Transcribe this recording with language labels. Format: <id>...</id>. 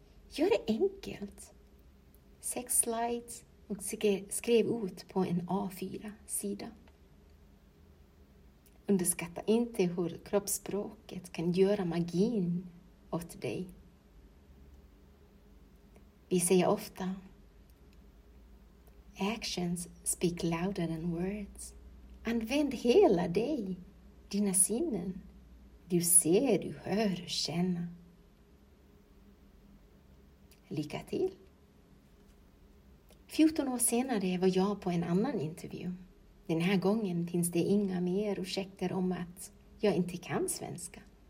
<sv>Gör det enkelt. 6 slides och skrev ut på en A4-sida. Underskatta inte hur kroppsspråket kan göra magin åt dig. Vi säger ofta,</sv> <en>actions speak louder than words.</en> <sv>Använd hela dig, dina sinnen. Du ser, du hör och känner. Lycka till! 14 år senare var jag på en annan intervju. Den här gången finns det inga mer ursäkter om att jag inte kan svenska.</sv>